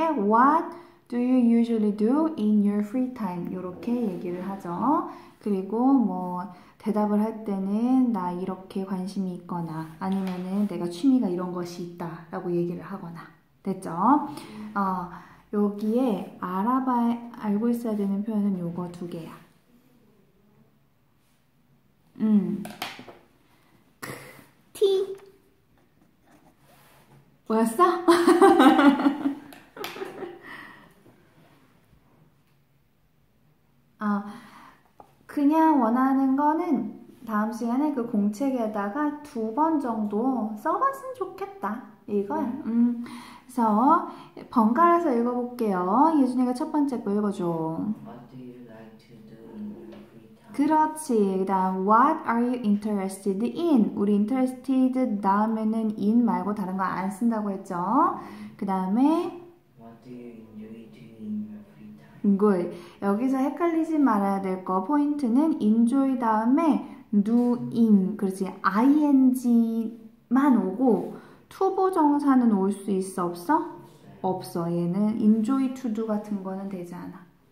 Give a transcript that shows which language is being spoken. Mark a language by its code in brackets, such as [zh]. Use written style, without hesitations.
[en] What do you usually do in your free time? [ko] 이렇게 얘기를 하죠. 그리고 뭐 대답을 할 때는 나 이렇게 관심이 있거나 아니면은 내가 취미가 이런 것이 있다라고 얘기를 하거나 됐죠? 여기에 알고 있어야 되는 표현은 요거 두 개야. 뭐였어? 그냥 원하는 거는 다음 시간에 그 공책에다가 두번 정도 써봤으면 좋겠다. 이거야. 그래서 번갈아서 읽어볼게요. 예준이가 첫 번째 거 읽어줘. [en] What do you like to do in your free time? [ko] 그렇지. 그다음 [en] What are you interested in? [ko] 우리 interested 다음에는 in 말고 다른 거안 쓴다고 했죠. 그다음에 [en] What do you enjoy doing in your free good. [ko] 여기서 헷갈리지 말아야 될 거. 포인트는 enjoy 다음에 doing, 그렇지. ing만 오고 to보 정사는 올수 있어 없어? 없어. 얘는 enjoy to do 같은 거는 되지 않아.